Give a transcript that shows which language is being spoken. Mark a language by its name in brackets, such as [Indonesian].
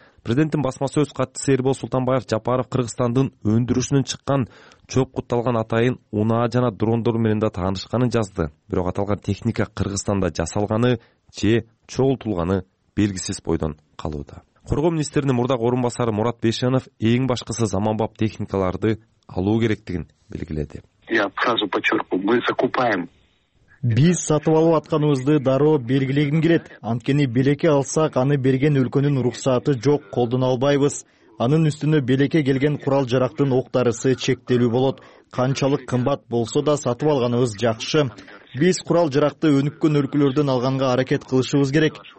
[Kyrgyz] Президенттин басма сөз катчысы Эрбол Султанбаев Жапаров Кыргызстандын өндүрүшүнөн чыккан чөп кутталган атайын унаа жана дрондор менен да таанышканын жазды. Бирок аталган техника Кыргызстанда жасалганы же чогултулганы белгисиз бойдон калууда. Коргоо министринин мурдагы орун басары Мурат Бешенов эң башкысы заманбап техникаларды алуу керектигин белгиледи. [Russian] Я сразу подчеркну, мы закупаем. [Kyrgyz] Биз сатып алып атканыбызды дароо белгилегим келет. Анткени белеке алсак, аны берген өлкөнүн уруксаты жок, колдоно албайбыз. Анын үстүнө белеке келген курал-жарактын октарысы чектелүү болот. Канчалык кымбат болсо да сатып алганыбыз жакшы. Биз курал-жаракты өнүккөн өлкөлөрдөн алганга аракет кылышыбыз керек.